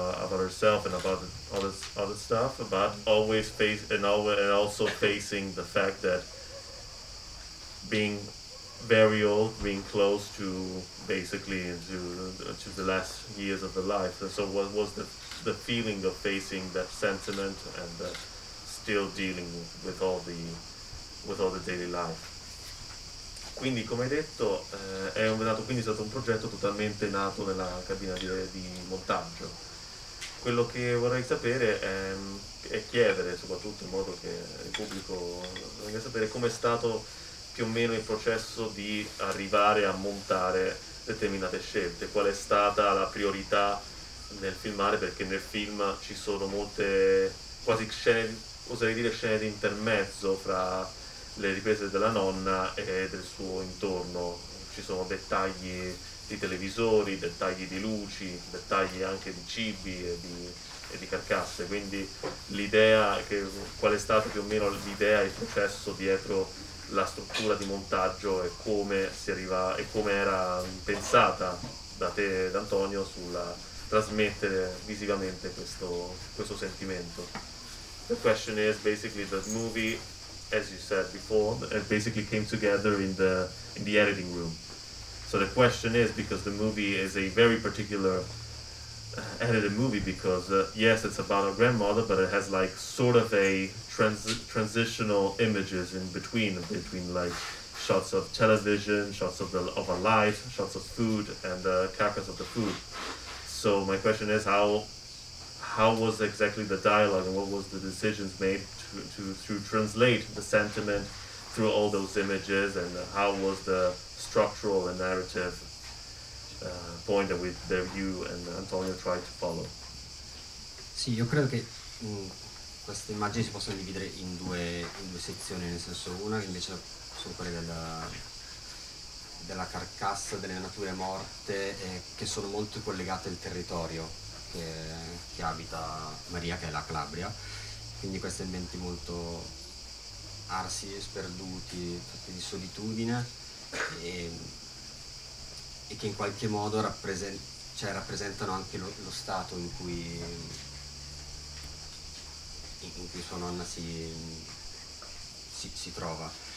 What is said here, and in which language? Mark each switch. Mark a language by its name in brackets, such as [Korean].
[English] herself and about other stuff, but always face and also facing the fact that being very old, being close to basically to the last years of the life. And so what was the feeling of facing that sentiment and still dealing with all the daily life? [Italian] Quindi, come detto, è stato un progetto totalmente nato nella cabina di montaggio. Quello che vorrei sapere è chiedere, soprattutto in modo che il pubblico venga a sapere, com'è stato più o meno il processo di arrivare a montare determinate scelte, qual è stata la priorità nel filmare, perché nel film ci sono molte quasi scene, oserei dire scene di intermezzo fra le riprese della nonna e del suo intorno. Ci sono dettagli di televisori, dettagli di luci, dettagli anche di cibi e di carcasse, quindi l'idea, qual è stato più o meno l'idea e il processo dietro la struttura di montaggio e come si arriva e come era pensata da te, D'Antonio, sulla trasmettere visivamente questo sentimento. [English] The question is basically the movie, as you said before, basically came together in the editing room. So the question is, because the movie is a very particular edited movie, because yes, it's about a grandmother, but it has like sort of a transitional images in between like shots of television, shots of a light, shots of food, and the carcass of the food. So my question is, how was exactly the dialogue, and what was the decisions made to translate the sentiment through all those images, and how was the structural and narrative point that you and Antonio tried to follow? [Italian] Sì, io credo che queste immagini si possano dividere in due sezioni, nel senso una che invece sono quelle della carcassa, delle nature morte, che sono molto collegate al territorio che abita Maria, che è la Calabria, quindi questi ambienti molto arsi e sperduti, tutti di solitudine, e che in qualche modo rappresentano anche lo stato in cui sua nonna si trova.